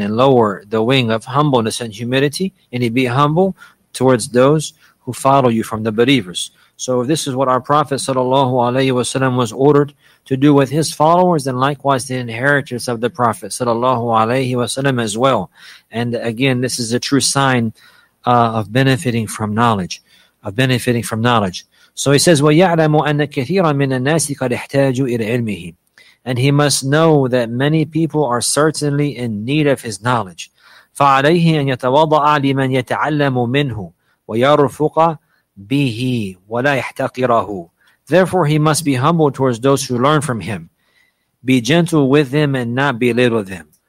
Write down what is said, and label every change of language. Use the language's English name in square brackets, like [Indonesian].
[English] And lower the wing of humbleness and humility, and be humble towards those who follow you from the believers. So if this is what our Prophet sallallahu alayhi wa sallam was ordered to do with his followers, then likewise the inheritors of the Prophet sallallahu alayhi wa sallam as well. And again, this is a true sign of benefiting from knowledge. So he says, [Arabic] وَيَعْلَمُ أَنَّ كَثِيرًا مِنَ النَّاسِ قَدْ احْتَاجُوا إِلَى عِلْمِهِ. [English] And he must know that many people are certainly in need of his knowledge. [Arabic] فَعَلَيْهِ أَنْ يَتَوَضَعَ لِمَنْ يَتَعَلَّمُ مِنْهُ وَيَرْفُقَ بِهِ وَلَا يَحْتَقِرَهُ. [English] Therefore, he must be humble towards those who learn from him. Be gentle with them and not belittle them.